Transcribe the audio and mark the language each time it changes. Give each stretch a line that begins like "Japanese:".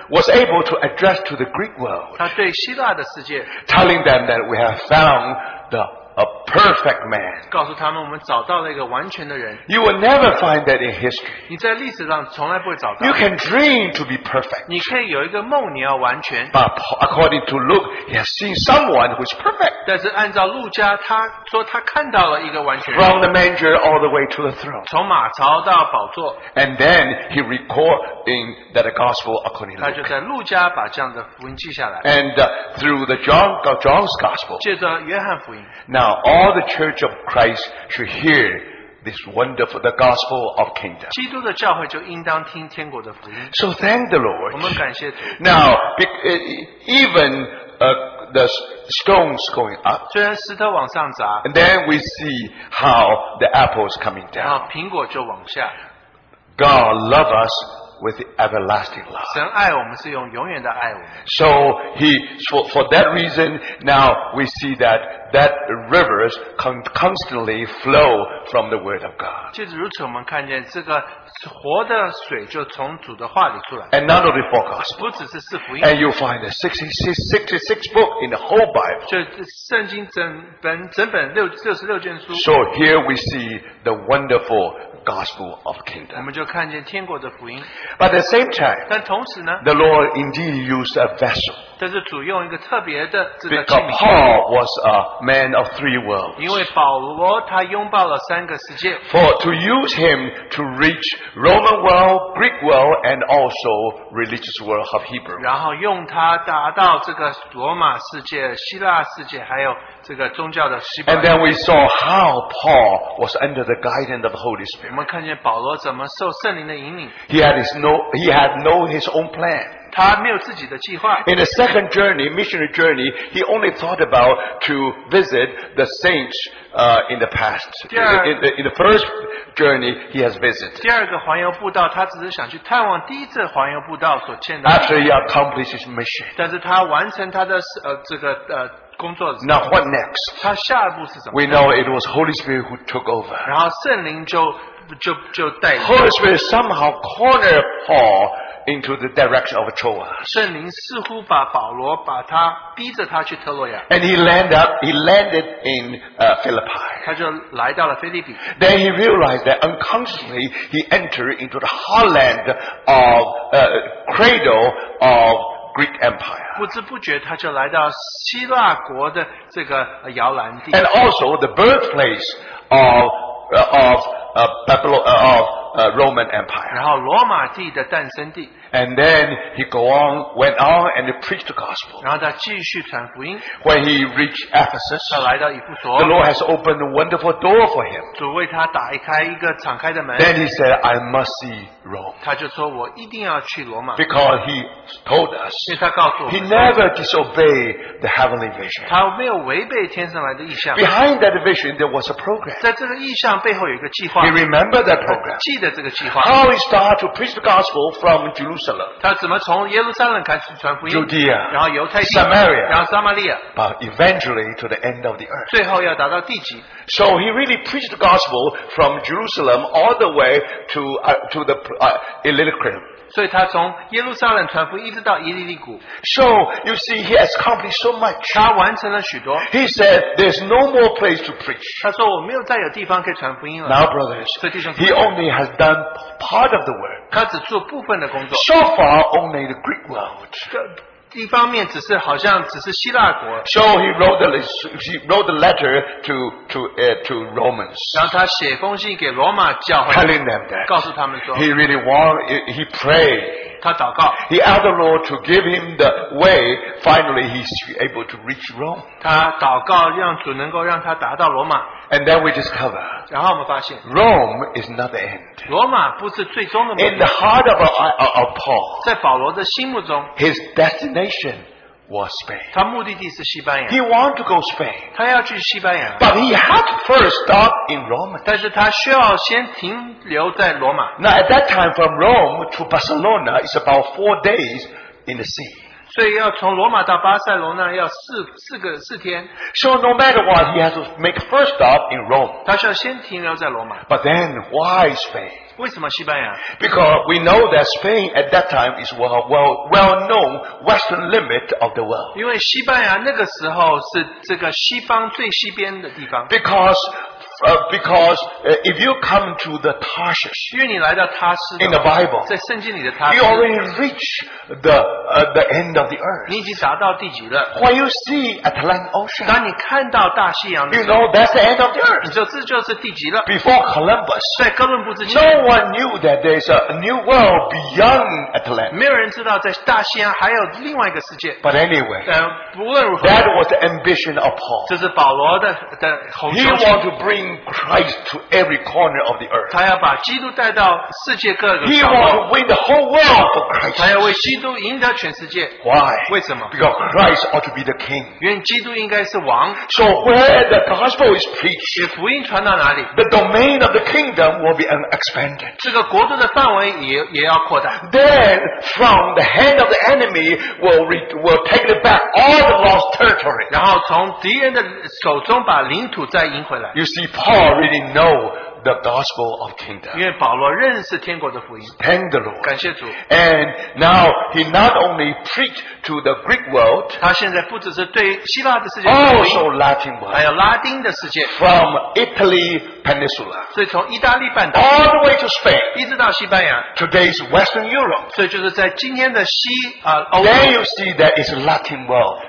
English: Was able to address to the Greek world.
Chinese: 他对希腊的世界。
English: Telling them that we have found a perfect man.
Chinese: 告诉他们我们找到了一个完全的人。
English: You will never find that in history.
Chinese: 你在历史上从来不会找到。
English: You can dream to be perfect.
Chinese: 你可以有一个梦你要完全。
English: But according to Luke, he has seen someone who is perfect.
Chinese: 但是按照路加他说他看到了一个完全人。
English: From the manger all the way to the throne.
Chinese: 从马槽到宝座。
English: And then he recorded in that gospel according to Luke.
Chinese: 他就在路加把这样的福音记下来。
English: And through the John's gospel.
Chinese: 借着约翰福音。
English: Now all the church of Christ should hear this wonderful the gospel of kingdom.
Chinese: 基督的教会就应当听天国的福音。
English: So thank the Lord.
Chinese: 我们感谢主。
English: Now even the stones going up.
Chinese: 虽然石头往上砸。
English: And then we see how the apples coming down.
Chinese: 然后苹果就往下。
English: God love us with everlasting love.
Chinese: 神爱我们是用永远的爱我们。
English: So he for that reason now we see that rivers constantly flow from the word of God.
Chinese: 就是如此我们看见这个活的水就从主的话里出来。
English: And not only four gospels.
Chinese: 不只是四福音。
English: And you find the 66 books in the whole Bible.
Chinese: 就圣经整本66卷书。
English: So here we see the wonderful gospel of kingdom.
Chinese: 我们就看见天国的福音。
English: But at the same time,
Chinese: 但同时呢,
English: the Lord indeed used a vessel.
Chinese: 但是主用一个特别的这个器皿。
English: Because Paul was a man of three worlds.
Chinese: 因为保罗他拥抱了三个世界。
English: For to use him to reach Roman world, Greek world, and also religious world of Hebrew.
Chinese: 然后用他达到这个罗马世界、希腊世界，还有这个宗教的希伯来。
English: And then we saw how Paul was under the guidance of the Holy Spirit.
Chinese: 我们看见保罗怎么受圣灵的引领。
English: He had his own plan.
Chinese: 他没有自己的计划。
English: In a second journey, missionary journey, he only thought about to visit the saints, in the past. In the first journey, he has visited.
Chinese: 第二个环游步道，他只是想去探望第一次环游步道所见的。
English: After he accomplishes mission.
Chinese: 但是他完成他的这个工作。
English: Now what next?
Chinese: 他下一步是什么
English: ？We know it was Holy Spirit who took over.
Chinese: 然后圣灵就带领。
English: Holy Spirit somehow cornered Paul. Into the direction of Troas.
Chinese: 圣灵似乎把保罗把他逼着他去特洛亚。
English: And he landed in Philippi.
Chinese: 他就来到了腓立比。
English: Then he realized that unconsciously he entered into the heartland of cradle of Greek Empire.
Chinese: 不知不觉他就来到希腊国的这个摇篮地。
English: And also the birthplace Roman Empire.
Chinese: 然后罗马帝的诞生地。
English: And then he went on and preached the gospel.
Chinese: 然后他继续传福音。
English: When he reached Ephesus,
Chinese: 他来到以弗所。
English: The Lord has opened a wonderful door for him.
Chinese: 主为他打开一个敞开的门。
English: Then he said, I must see Rome.
Chinese: 他就说我一定要去罗马。
English: Because he told us,
Chinese: 因为他告诉我们。
English: He never disobeyed the heavenly vision.
Chinese: 他没有违背天上来的意象。
English: Behind that vision, there was a program.
Chinese: 在这个意象背后有一个计划。
English: He remembered that program.
Chinese: 记得这个计划。
English: How he started to preach the gospel from Jerusalem.
Chinese: 他怎么从耶路撒冷开始传福音
English: ？Judea，
Chinese: 然后犹太地
English: ，Samaria，
Chinese: 然后撒玛利亚
English: ，but eventually to the end of the earth.
Chinese: 最后要达到地极。
English: So he really preached the gospel from Jerusalem all the way to the Illyricum.
Chinese: 所以他从耶路撒冷传福音一直到以利利谷。
English: So you see, he has accomplished so much.
Chinese: 他完成了许多。
English: He said, "There's no more place to preach."
Chinese: 他说我没有再有地方可以传福音了。
English: Now, brothers, he only has done part of the work.
Chinese: 他只做部分的工作。
English: So far, only the Greek world.
Chinese: 一方面只是好像只是希腊国。
English: So he wrote the letter to Romans.
Chinese: 然后他写封信给罗马教会。
English: Telling them that.
Chinese: 告诉他们说。
English: He really wanted, he prayed.
Chinese: 他祷告。
English: He asked the Lord to give him the way, finally he's able to reach Rome.
Chinese: 他祷告让主能够让他达到罗马。
English: And then we discover,
Chinese: 然后我们发现,
English: Rome is not the end.
Chinese: 罗马不是最终的目的。
English: In the heart of Paul,
Chinese: 在保罗的心目中,
English: his destination was Spain.
Chinese: 他目的地是西班牙。
English: He wanted to go to Spain.
Chinese: 他要去西班牙。
English: But he had to first stop in Rome.
Chinese: 但是他需要先停留在罗马。
English: Now at that time from Rome to Barcelona is about 4 days in the sea.
Chinese: 所以要从罗马到巴塞罗那要四天。
English: So no matter what, he has to make first stop in Rome.
Chinese: 他需要先停留在罗马。
English: But then, why Spain?
Chinese: 为什么西班牙？
English: Because we know that Spain at that time is well known western limit of the world.
Chinese: 因为西班牙那个时候是这个西方最西边的地方。
English: Because if you come to the Tarshish,
Chinese: 因为你来到他斯
English: 的 Bible,
Chinese: 在圣经里的他斯
English: you already reach the end of the earth.
Chinese: 你已经达到地极了。
English: When you see Atlantic Ocean,
Chinese: 当你看到大西洋的时候
English: you know that's the end of the earth.
Chinese: 你就这就是地极了。
English: Before Columbus,
Chinese: 在哥伦布之前
English: no one knew that there is a new world beyond Atlantic.
Chinese: 没有人知道在大西洋还有另外一个世界。
English: But anyway,
Chinese: 不论如何
English: that was the ambition of Paul.
Chinese: 这是保罗的宏
English: 图。He wanted to bring Christ to every corner of the earth.
Chinese: 他要把基督带到世界各个。
English: He wants to win the whole world for Christ.
Chinese: 他要为基督赢得全世界。
English: Why?
Chinese: 为什么？
English: Because Christ ought to be the king.
Chinese: 因为基督应该是王。
English: So where the gospel is preached,
Chinese: 也福音传到哪里？
English: The domain of the kingdom will be expanded.
Chinese: 这个国度的范围也要扩大。
English: Then from the hand of the enemy will take it back all the lost territory.
Chinese: 然后从敌人的手中把领土再赢回来。
English: You see. Paul really know the gospel of kingdom.
Chinese: 因为保罗认识天国的福音。
English: Thank the Lord.
Chinese: 感谢主。
English: And now he not only preached to the Greek world.
Chinese: 他现在不只是对希腊的世界。
English: Also Latin world.
Chinese: 还有拉丁的世界。
English: From Italy peninsula.
Chinese: 所以从意大利半岛。
English: All the way to Spain.
Chinese: 一直到西班牙。
English: Today's Western Europe.
Chinese: 所以就是在今天的西欧。
English: There you see that is Latin world.